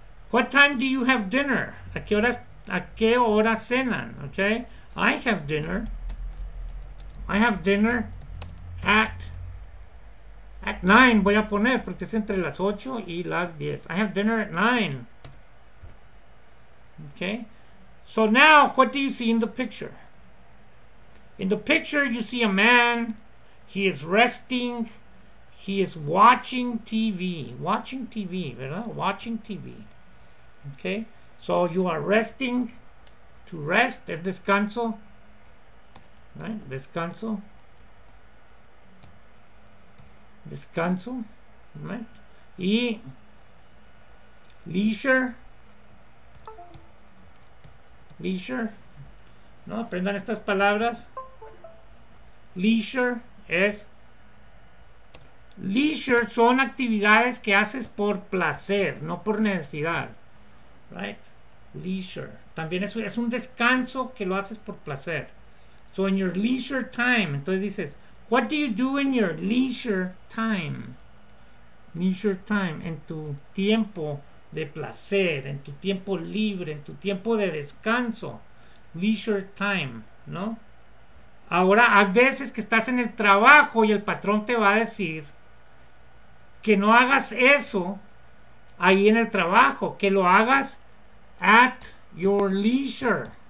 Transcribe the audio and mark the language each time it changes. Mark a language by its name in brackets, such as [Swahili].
[English] What time do you have dinner? [Spanish] ¿A qué hora cenan? [English] Okay, I have dinner. I have dinner at 9, [Spanish] voy a poner, porque es entre las 8 y las 10. [English] I have dinner at 9. Okay. So now, what do you see in the picture? In the picture, you see a man. He is resting. He is watching TV. Watching TV, ¿verdad? Watching TV. Okay. So you are resting. To rest [Spanish] es descanso. [English] Right? Descanso. [Spanish] Descanso, right? Y leisure, no aprendan estas palabras. Leisure es leisure son actividades que haces por placer, no por necesidad, right? Leisure también es un descanso que lo haces por placer. [English] So in your leisure time, [Spanish] entonces dices. [English] What do you do in your leisure time? [Spanish] Leisure time, en tu tiempo de placer, en tu tiempo libre, en tu tiempo de descanso. Leisure time, ¿no? Ahora, hay veces que estás en el trabajo y el patrón te va a decir que no hagas eso ahí en el trabajo, que lo hagas [English] at your leisure.